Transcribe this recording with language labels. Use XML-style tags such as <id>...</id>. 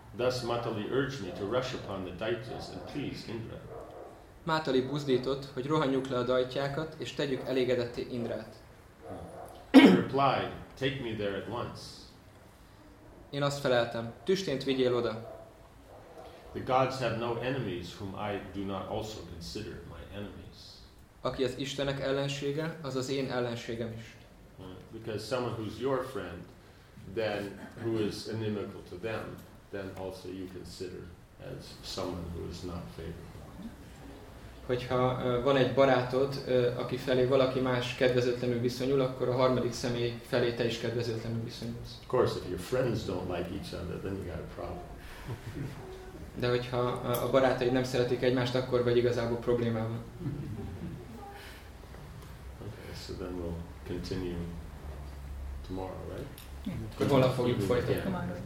<en>Thus Matali urged me to rush upon the daityas and please Indra.</en> <hu>Matali buzdított, hogy rohanjuk le a daityákat és tegyük elégedetté Indrát.</hu> <en>He replied, take me there at once.</en> <hu>Én azt feleltem, tüstént vigyél oda.</hu> <en>The gods have no enemies whom I do not also consider my enemies.</en> <hu>Aki az istenek ellensége, az az én ellenségem is.</hu> <en>Because someone who's your friend, then who is inimical to them, then also you consider as someone who is not favorable.</en> <hu>Hogyha van egy barátod, aki felé valaki más kedvezőtlenül viszonyul, akkor a harmadik személy felé te is kedvezőtlenül viszonyulsz.</hu> <en>Of course, if your friends don't like each other, then you got a problem.</en> <hu>De hogyha a barátaid nem szeretik egymást, akkor vagy igazából problémában.</hu> <en>Okay, so then we'll continue tomorrow, right?</en> <hu>Akkor holnap fogjuk folytatni.</hu>